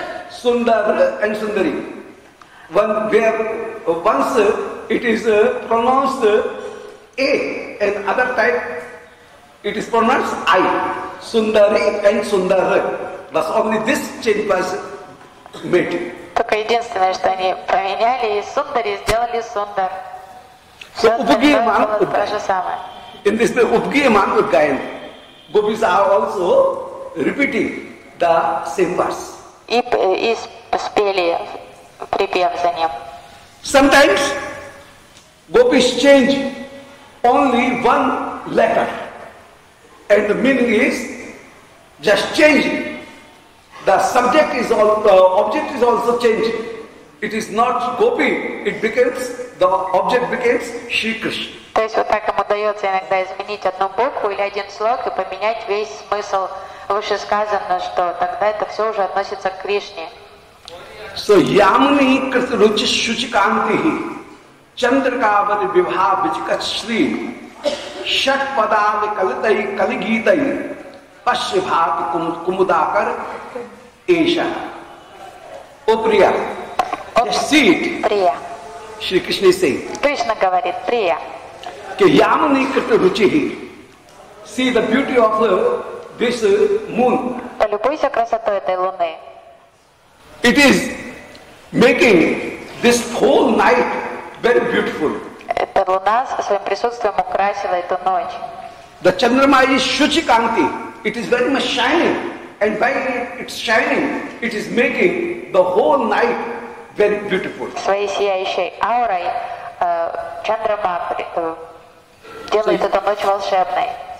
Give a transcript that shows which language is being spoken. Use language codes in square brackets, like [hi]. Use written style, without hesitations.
[en] Sundar and Sundari. Once it is pronounced A, and other time it is pronounced I. Sundari and Sundar. Thus only this change was made. [ru] Только единственное, что они поменяли из Сундари, сделали Сундар. [en] So Upagiyaman Udgayan. In this Upagiyaman Udgayan, gopis are also repeating the same verse. [ru] И спели припев за ним. [en] Sometimes gopis change only one letter, and the meaning is just changing. The subject is all, the object is also changing. It is not gopi. It becomes, the object becomes Shri Krishna. [ru] То есть вот так ему удается иногда изменить одну букву или один слог и поменять весь смысл. Выше сказано, что тогда это все уже относится к Кришне. [sa] So yamni krita ruchi shuchi kanti chandrakavan vibha vichikat shri shat padam kalitai kaligitai pashyabhati kumudakar esha. [en] O Priya, just see it. Priya. Shri Krishna is saying. [ru] Krishna говорит, Priya. [sa] Ke yamni krita ruchi. [en] See the beauty of the this moon. [ru] Полюбуйся красотой этой луны. [en] It is making this whole night very beautiful. [ru] Эта луна своим присутствием украсила эту ночь. [en] The chandrama is shuchi kanti. It is very much shining. And by its shining, it is making the whole night very beautiful. [ru] Своей сияющей аурой чандрама делает эту ночь волшебной.